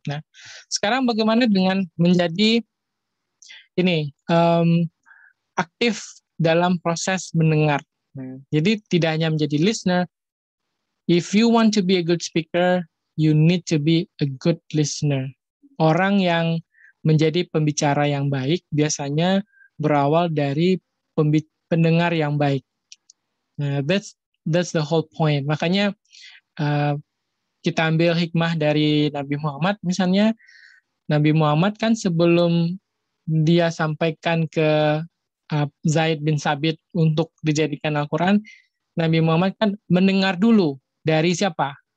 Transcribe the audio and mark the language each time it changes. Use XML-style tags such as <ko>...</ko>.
<id>Nah, sekarang bagaimana dengan menjadi ini aktif dalam proses mendengar. Jadi tidak hanya menjadi listener.</id> <en>If you want to be a good speaker, you need to be a good listener.</en> <id>Orang yang menjadi pembicara yang baik biasanya berawal dari pendengar yang baik. Nah,</id> <en>that's the whole point.</en> <id>Makanya kita ambil hikmah dari Nabi Muhammad. Misalnya Nabi Muhammad kan sebelum dia sampaikan ke Zaid bin Sabit untuk dijadikan Al-Quran, Nabi Muhammad kan mendengar dulu dari siapa?</id>